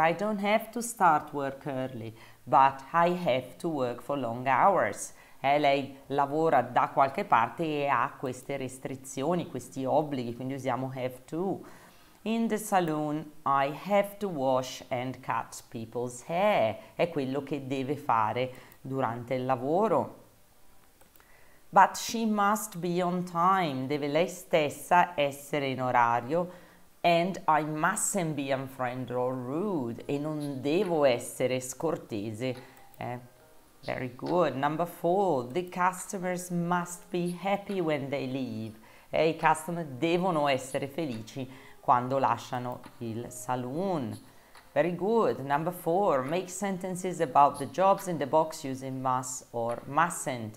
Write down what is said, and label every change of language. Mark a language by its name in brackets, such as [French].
[English] I don't have to start work early, but I have to work for long hours. [Italian] Lei lavora da qualche parte e ha queste restrizioni, questi obblighi, quindi usiamo have to. [English] In the saloon, I have to wash and cut people's hair. [Italian] È quello che deve fare durante il lavoro. [English] But she must be on time. [Italian] Deve lei stessa essere in orario. [English] And I mustn't be unfriendly or rude. [Italian] E non devo essere scortese. [English] Very good. Number four. The customers must be happy when they leave. [Italian] I customer devono essere felici quando lasciano il saloon. [English] Very good. Number four. Make sentences about the jobs in the box using must or mustn't.